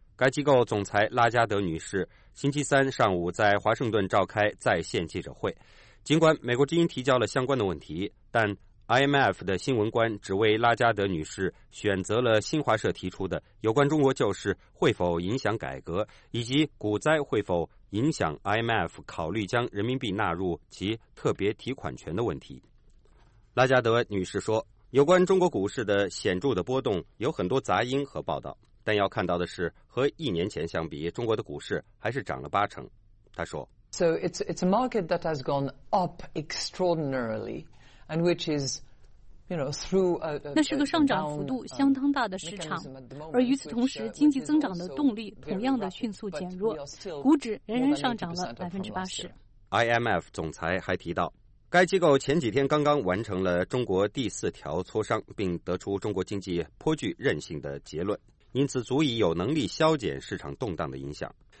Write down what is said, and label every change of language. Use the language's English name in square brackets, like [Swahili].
[Chinese] 该机构总裁拉加德女士星期三上午在华盛顿召开在线记者会，尽管美国之音提交了相关的问题，但 IMF 的新闻官只为拉加德女士选择了新华社提出的有关中国救市会否影响改革以及股灾会否影响 IMF 考虑将人民币纳入其特别提款权的问题。拉加德女士说，有关中国股市的显著的波动有很多杂音和报道，但要看到的是和一年前相比中国的股市还是涨了80%。他说， [English] So it's a market that has gone up extraordinarily and which is, you know, through a [Chinese] 那是个上涨幅度相当大的市场，而与此同时经济增长的动力同样的迅速减弱，股指仍然上涨了80%。 IMF 总裁还提到，该机构前几天刚刚完成了中国第四条磋商，并得出中国经济颇具韧性的结论，因此足以有能力消减市场动荡的影响。